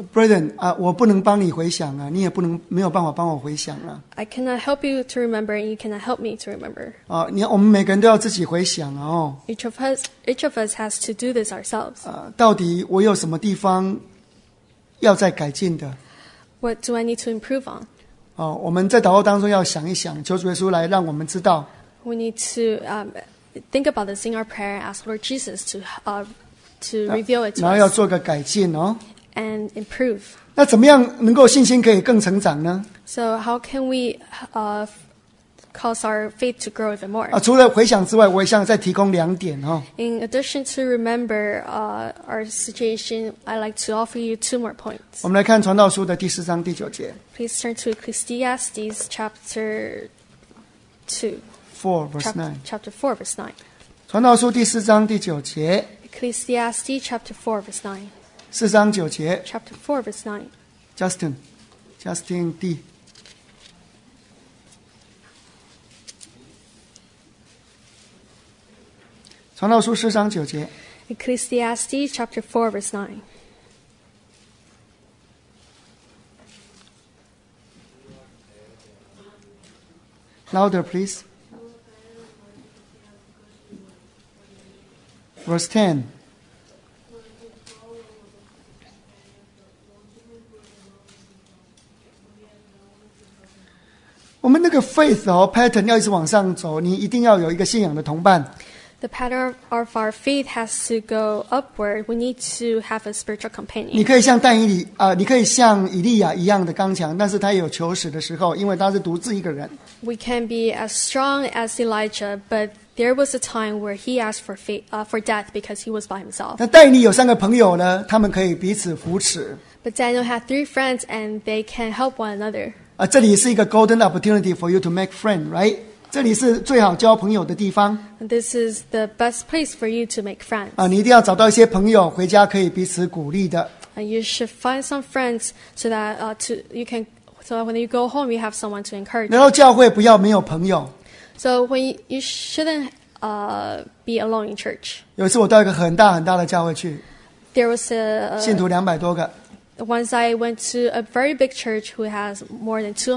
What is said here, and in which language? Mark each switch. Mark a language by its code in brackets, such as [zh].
[zh] Brethren, 我不能帮你回想啊，你也不能没有办法帮我回想啊。 [en] I cannot help you to remember, and you cannot help me to remember. [zh] 我们每个人都要自己回想啊。 [en] Each of us has to do this ourselves. [zh] 到底我有什么地方要再改进的 [en] ？What do I need to improve on? [zh] 我们在祷告当中要想一想，求主耶稣来让我们知道。 [en] We need to think about this in our prayer and ask Lord Jesus to reveal it to us. [zh] 然后要做个改进哦。 [en] And improve. [zh] 那怎么样能够信心可以更成长呢 [en] ？So how can we cause our faith to grow even more? [zh] 除了回想之外，我也想再提供两点哦。 [en] In addition to remember our situation, I'd like to offer you two more points. [zh] 我们来看传道书的第四章第九节。 [en] Please turn to Ecclesiastes chapter 2. Chapter 4, verse 9. [zh] 传道书第四章第九节。 [en] Ecclesiastes chapter 4 verse 9. [zh] 四章九节。 [en] Chapter 4 verse 9. Justin D. [zh] 传道书四章九节。 [en] Ecclesiastes chapter 4 verse 9. 10. [zh] Faith 哦 ，pattern 要一直往上走，你一定要有一个信仰的同伴。 [en] The pattern of our faith has to go upward. We need to have a spiritual companion. [zh] 你可以像但以理啊、你可以像以利亚一样的刚强，但是他也有求死的时候，因为他是独自一个人。 [en] We can be as strong as Elijah, but there was a time where he asked for death because he was by himself. [zh] 那但以理有三个朋友呢，他们可以彼此扶持。 [en] But Daniel had three friends, and they can help one another. [zh] 这里是一个 [en] golden opportunity for you to make friends, right? [zh] 这里是最好交朋友的地方。 [en] This is the best place for you to make friends. [zh] 你一定要找到一些朋友，回家可以彼此鼓励的。 [en] You should find some friends so that so when you go home, you have someone to encourage. [zh] 来到教会不要没有朋友。 [en] So when you shouldn't be alone in church. [zh] 有一次我到一个很大很大的教会去。 [en] There was a [zh] 信徒两百多个。 [en] Once I went to a very big church who has more than 200